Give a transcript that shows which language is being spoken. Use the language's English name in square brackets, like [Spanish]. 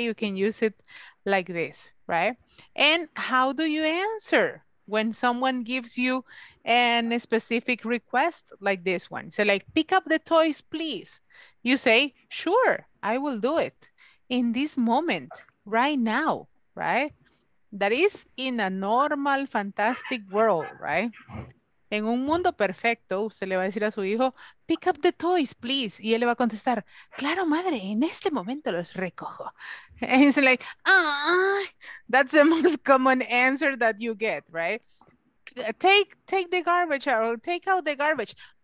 [English] You can use it like this, right? And how do you answer when someone gives you and a specific request like this one? So like, pick up the toys, please. You say, sure, I will do it in this moment, right now, right? That is in a normal, fantastic world, right? [Spanish] En un mundo perfecto, usted le va a decir a su hijo, [English] pick up the toys, please. [Spanish] Y él le va a contestar, claro, madre, en este momento los recojo. [English] And he's like, that's the most common answer that you get, right? Take the garbage out, or take out the garbage.